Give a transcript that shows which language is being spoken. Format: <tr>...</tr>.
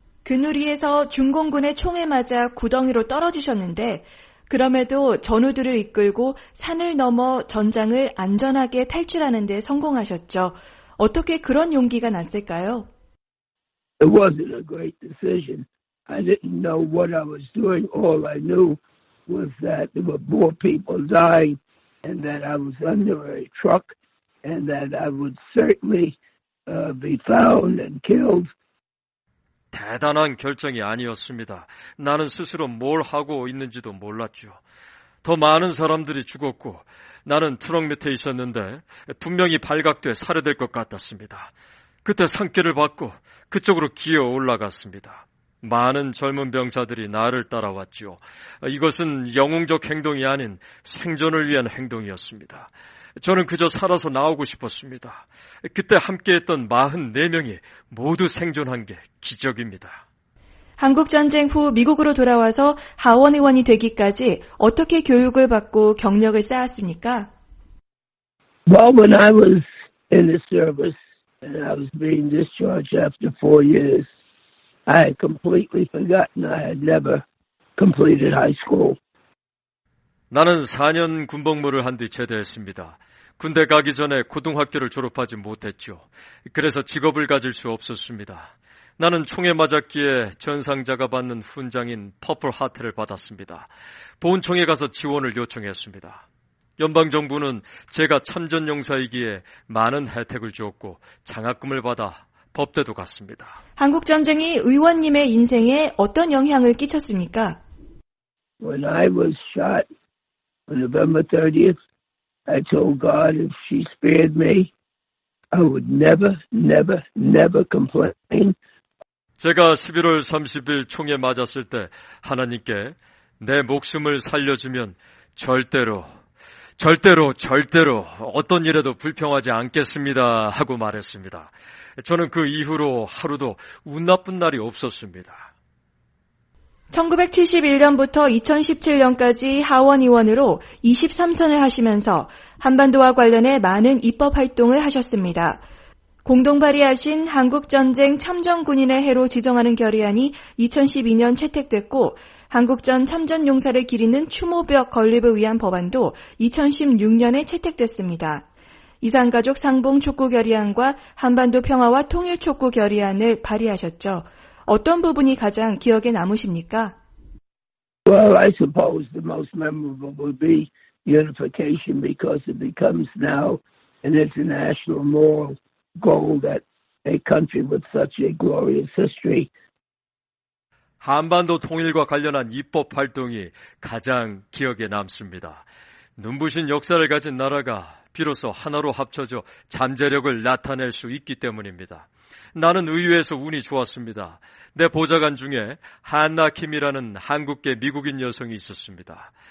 <ko>그누리에서 중공군의 총에 맞아 구덩이로 떨어지셨는데 그럼에도 전우들을 이끌고 산을 넘어 전장을 안전하게 탈출하는 데 성공하셨죠. 어떻게 그런 용기가 났을까요?</ko> <en>It wasn't a great decision. I didn't know what I was doing. All I knew was that there were more people dying and that I was under a truck and that I would certainly be found and killed.</en> <ko>대단한 결정이 아니었습니다. 나는 스스로 뭘 하고 있는지도 몰랐죠. 더 많은 사람들이 죽었고 나는 트럭 밑에 있었는데 분명히 발각돼 살해될 것 같았습니다. 그때 산길을 받고 그쪽으로 기어 올라갔습니다. 많은 젊은 병사들이 나를 따라왔지요. 이것은 영웅적 행동이 아닌 생존을 위한 행동이었습니다. 저는 그저 살아서 나오고 싶었습니다. 그때 함께했던 44명이 모두 생존한 게 기적입니다. 한국전쟁 후 미국으로 돌아와서 하원의원이 되기까지 어떻게 교육을 받고 경력을 쌓았습니까?</ko> <en>Well, when I was in the service, and I was being discharged after 4 years. I had completely forgotten I had never completed high school.</en> <ko>나는 4년 군복무를 한 뒤 제대했습니다. 군대 가기 전에 고등학교를 졸업하지 못했죠. 그래서 직업을 가질 수 없었습니다. 나는 총에 맞았기에 전상자가 받는 훈장인 퍼플 하트를 받았습니다. 보훈청에 가서 지원을 요청했습니다. 연방정부는 제가 참전용사이기에 많은 혜택을 주었고 장학금을 받아 법대도 갔습니다. 한국전쟁이 의원님의 인생에 어떤 영향을 끼쳤습니까?</ko> <en>When I was shot on November 30th, I told God if she spared me, I would never, never, never complain.</en> <ko>제가 11월 30일 총에 맞았을 때 하나님께 내 목숨을 살려주면 절대로 절대로 절대로 어떤 일에도 불평하지 않겠습니다 하고 말했습니다. 저는 그 이후로 하루도 운 나쁜 날이 없었습니다. 1971년부터 2017년까지 하원의원으로 23선을 하시면서 한반도와 관련해 많은 입법 활동을 하셨습니다. 공동 발의하신 한국전쟁 참전군인의 해로 지정하는 결의안이 2012년 채택됐고 한국전 참전용사를 기리는 추모벽 건립을 위한 법안도 2016년에 채택됐습니다. 이산가족 상봉 촉구 결의안과 한반도 평화와 통일 촉구 결의안을 발의하셨죠. 어떤 부분이 가장 기억에 남으십니까?</ko> <en>Well, I suppose the most memorable would be unification because it becomes now an international moral goal that a country with such a glorious history</en> <ko>한반도 통일과 관련한 입법 활동이 가장 기억에 남습니다. 눈부신 역사를 가진 나라가 비로소 하나로 합쳐져 잠재력을 나타낼 수 있기 때문입니다. 나는 의회에서 운이 좋았습니다. 내 보좌관 중에 한나 킴이라는 한국계 미국인 여성이 있었습니다.</ko>